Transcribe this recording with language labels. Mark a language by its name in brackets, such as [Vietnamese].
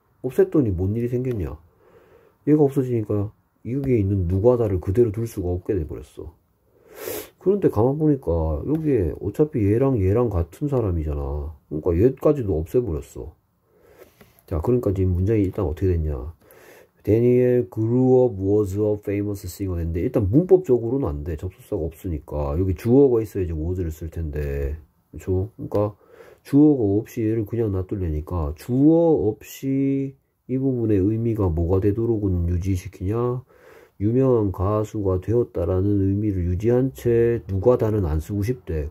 [Korean] 없앴더니 뭔 일이 생겼냐, 얘가 없어지니까 여기에 있는 누가다를 그대로 둘 수가 없게 돼버렸어. 그런데 가만 보니까 여기에 어차피 얘랑 얘랑 같은 사람이잖아. 그러니까 얘까지도 없애버렸어. 자, 그러니까 지금 문장이 일단 어떻게 됐냐. [English] Daniel grew up was a famous singer [Korean] 했는데 일단 문법적으로는 안 돼. 접속사가 없으니까. 여기 주어가 있어야지 was를 쓸 텐데. 그쵸? 그러니까 주어가 없이 얘를 그냥 놔두려니까 주어 없이 이 부분의 의미가 뭐가 되도록은 유지시키냐? 유명한 가수가 되었다라는 의미를 유지한 채 누가다는 안 쓰고 싶대.